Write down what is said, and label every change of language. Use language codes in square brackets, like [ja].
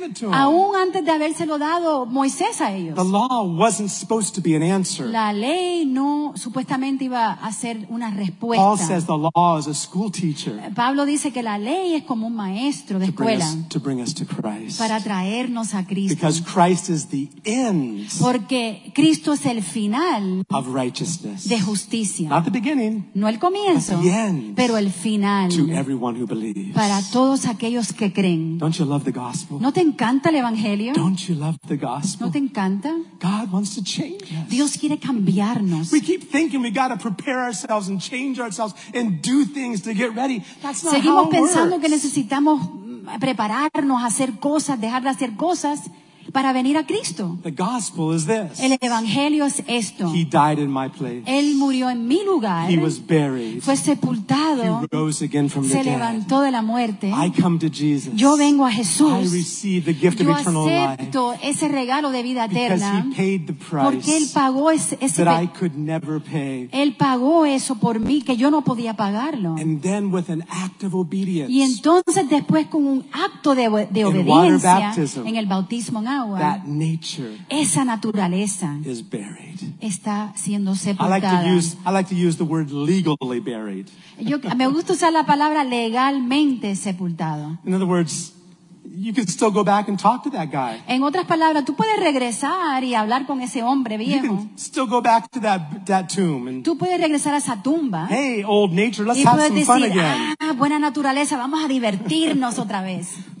[es] Aún antes de habérselo dado Moisés a ellos. [en] The law wasn't supposed to be an answer. [es] La ley no supuestamente iba a ser una respuesta. [en] Paul says the law is a school teacher. [es] Pablo dice que la ley es como un maestro de escuela. [en] To bring us to Christ. [es] Para traernos a Cristo. [en] Because Christ is the end. [es] Porque Cristo es el final. [en] Of righteousness. [es] De justicia. [en] Not the beginning. [es] No el comienzo. [en] But the end. [es] Pero el final. [en] To everyone who believes. [es] Para todos aquellos que creen. [en] Don't you love the gospel? [es] ¿No te encanta el evangelio? [en] Don't you love the gospel? [es] ¿No te encanta? [en] God wants to change us. [es] Dios quiere cambiarnos. [en] We keep thinking we got to prepare ourselves and change ourselves and do things to get ready. That's not how it works. [es] Seguimos pensando que necesitamos prepararnos, hacer cosas, dejar de hacer cosas para venir a Cristo. [en] The gospel is this. [es] El evangelio es esto. [en] He died in my place. [es] Él murió en mi lugar. [en] He was buried. [es] Fue sepultado. [en] He rose again from the dead. [es] Se levantó de la muerte. [en] I come to Jesus. [es] Yo vengo a Jesús. [en] I receive the gift [es] Yo [en] of eternal [es] acepto [en] life. [es] Acepto ese regalo de vida eterna. [en] Because he paid the price. [es] Porque él pagó ese [en] that I could never pay. [es] Él pagó eso por mí que yo no podía pagarlo. [en] And then with an act of obedience. [es] Y entonces después con un acto de obediencia [en] in water baptism, [es] en el bautismo en agua. [en] That nature [es] esa naturaleza [en] is buried. [es] Está siendo sepultada. [en] I like to use the word legally buried. [es] Yo me gusta usar la palabra legalmente sepultado. [en] In other words, you can still go back and talk to that guy. [es] En otras palabras, tú puedes regresar y hablar con ese hombre viejo. [en] You can still go back to that tomb. And, [es] tú puedes regresar a esa tumba. [en] Hey, old nature, let's have some fun again. [es] Ah, buena naturaleza, vamos a divertirnos otra vez.